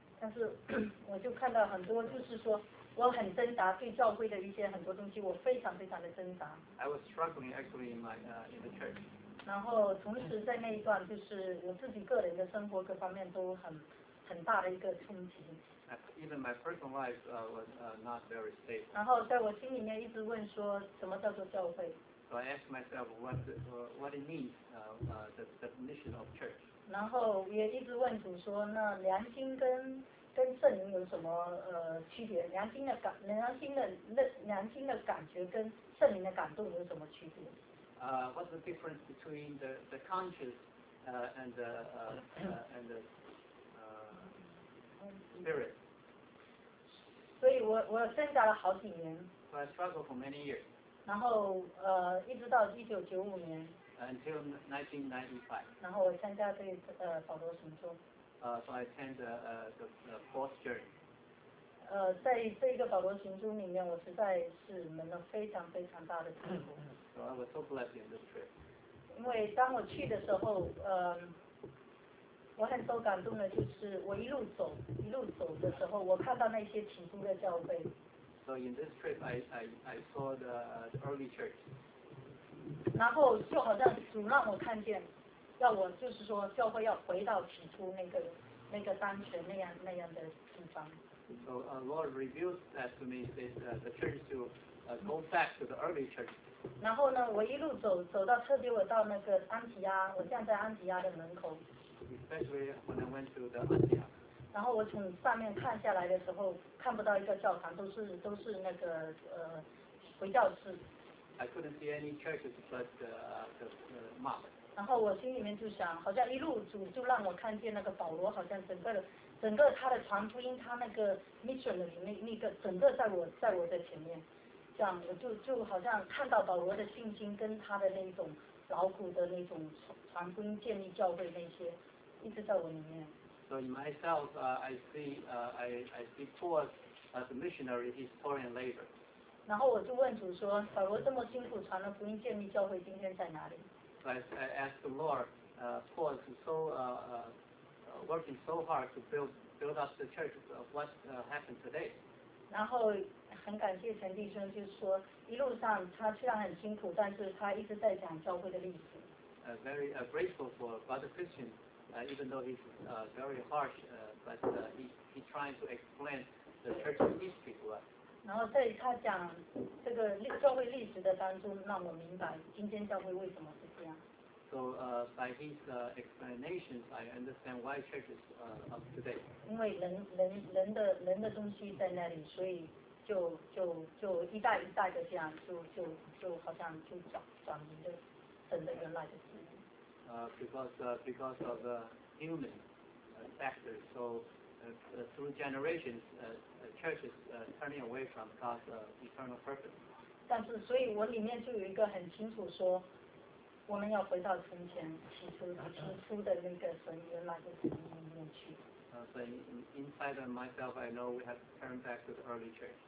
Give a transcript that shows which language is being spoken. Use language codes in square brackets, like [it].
[zh] 但是我就看到很多，就是说我很挣扎，对教会的一些很多东西，我非常非常的挣扎。 [en] I was struggling actually in the church. [zh] 然后同时在那一段，就是我自己个人的生活各方面都很大的一个冲击。 [en] Even my personal life was not very stable. [zh] 然后在我心里面一直问说，什么叫做教会？ [en] So I asked myself what it means, the definition of church. [zh] 然后也一直问主说，那良心跟圣灵有什么区别？良心的感觉跟圣灵的感动有什么区别？ [en] What's the difference between the conscience and the spirit? [zh] 所以我挣扎了好几年。 [en] So I struggled for many years. [zh] 然后一直到1995年 [en] until 1995， [zh] 然后我参加对保罗神州 [en] so I attend the fourth journey。 [zh] 在这个保罗神州里面，我实在是蒙了非常非常大的祝福。 [en] So I was so blessed in this trip。 [zh] 因为当我去的时候，我很受感动的，就是我一路走的时候，我看到那些起初的教会。 [en] So in this trip, I saw the early church. [zh] 然后就好像主让我看见。要我就是说教会要回到起初那个那个当时那样那样的地方。 [en] So Lord reveals that to me, that the church to go back to the early church. [zh] 然后呢，我一路走走到特别我到那个安提亚，我站在安提亚的门口。 [en] Especially when I went to the Antioch. [zh] 然后我从上面看下来的时候，看不到一个教堂，都是那个回教士。 [en] I couldn't see any churches but the mosque. [zh] 然后我心里面就想，好像一路主就让我看见那个保罗，好像整个的。整个他的传福音，他那个 mission 的那个整个在我的前面，这样我就好像看到保罗的信心跟他的那种劳苦的那种传福音建立教会那些，一直在我里面。 [en] So in myself, I see Paul as a missionary, he's pouring labor. [zh] 然后我就问主说，保罗这么辛苦传了福音建立教会，今天在哪里 [en] ？I asked the Lord, Paul is so working so hard to build up the church of what happened today. [zh] 然后很感谢陈弟兄，就是说一路上他虽然很辛苦，但是他一直在讲教会的历史。 [en] Very grateful for Brother Christian, even though he's very harsh, but he trying to explain the church's history to us. [zh] 然后在他讲这个教会历史的当中，让我明白今天教会为什么是这样。 [en] So by his explanations, I understand why churches of today. [zh] 因为人的东西在那里，所以就一代一代的这样，就好像就转移的神的原来的事。 [en] Because of the human factors, so through generations, churches turning away from God's eternal purpose. [zh] 但是，所以我里面就有一个很清楚说。我们要回到从前起初的那个神原来的神里面去。 [en] So inside of myself, I know we have to turn back to the early church.